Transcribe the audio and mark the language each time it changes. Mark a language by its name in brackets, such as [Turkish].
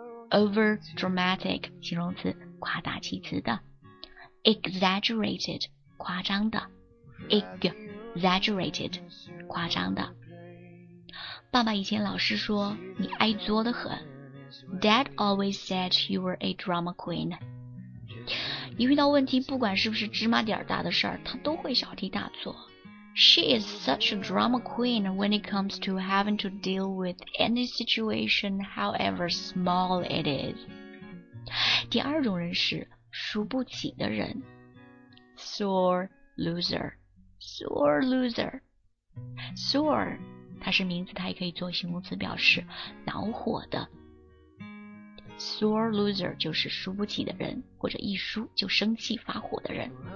[Chinese] Overdramatic 形容词，夸大其词的。 Exaggerated 夸张的。Exaggerated 夸张的。爸爸以前老是说你爱作得很。 [English] Dad always said you were a drama queen. [Chinese] 一遇到问题，不管是不是芝麻点大的事儿，他都会小题大做。 [English] She is such a drama queen when it comes to having to deal with any situation, however small it is. [Chinese] 第二种人是输不起的人。 [English] Sore loser. Sore loser. Sore. [Chinese] 它是名词，它也可以做形容词，表示恼火的。 Sore loser 就是输不起的人，或者一输就生气发火的人。